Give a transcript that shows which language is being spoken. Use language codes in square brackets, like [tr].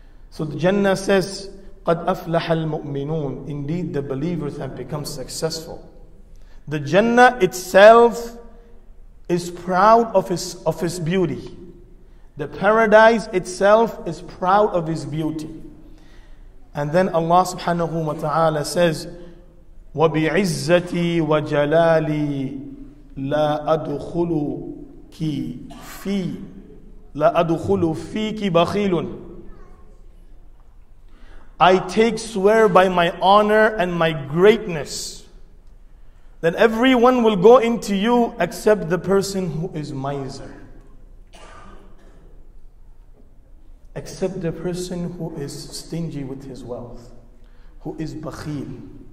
[en] So the Jannah says, [ar] قَدْ أَفْلَحَ الْمُؤْمِنُونَ. [en] Indeed, the believers have become successful. The Jannah itself is proud of his beauty. The paradise itself is proud of his beauty. And then Allah subhanahu wa ta'ala says, [ar] وَبِعِزَّتِي وَجَلَالِي لَا أَدْخُلُكِ فِي لَا أَدْخُلُ فِيكِ بَخِيلٌ. [en] I take swear by my honor and my greatness that everyone will go into you except the person who is miser. Except the person who is stingy with his wealth, who is bakhil.